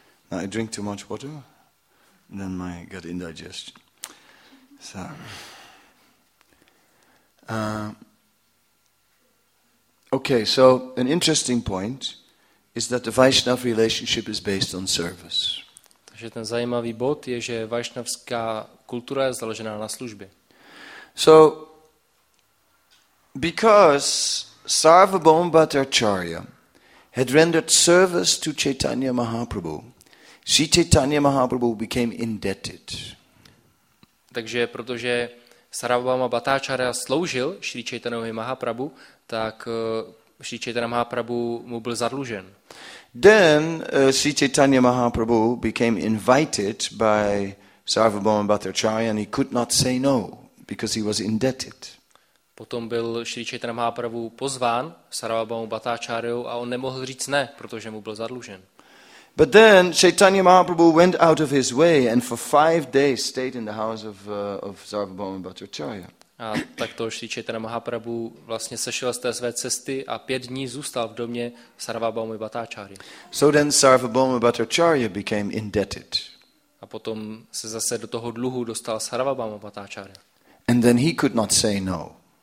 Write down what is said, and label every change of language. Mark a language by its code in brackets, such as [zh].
[en] Now I drink too much water, and then my gut indigestion. So, okay. So an interesting point is that the Vaishnav relationship is based on service. [cs] Takže ten zajímavý bod je, že vaishnavská kultura je založená na službě. [en] So, because Sarvabhauma Bhattacharya had rendered service to Chaitanya Mahaprabhu, Sri Chaitanya Mahaprabhu became indebted. [cs] Takže protože Sarvabhauma Bhattacharya sloužil Sri Chaitanyovi Mahaprabhu, tak Sri Chaitanya Mahaprabhu mu byl zadlužen. [en] Then Sri Chaitanya Mahaprabhu became invited by Sarvabhauma Bhattacharya and he could not say no because he was indebted. [cs] Potom byl Sri Chaitanya Mahaprabhu pozván Sarvabhauma Bhattacharyou a on nemohl říct ne, protože mu byl zadlužen. [en] But then Chaitanya Mahaprabhu went out of his way and for 5 days stayed in the house of Sarvabhauma Bhattacharya. [cs] A tak to Sri Chaitanya Mahaprabhu vlastně sešel z té své cesty a 5 dní zůstal v domě Sarvabhauma Bhattacharya. [en] So then Sarvabhauma Bhattacharya became indebted. [cs] A potom se zase do toho dluhu dostal Sarvabhauma Bhattacharya. [en] And then he could not say no.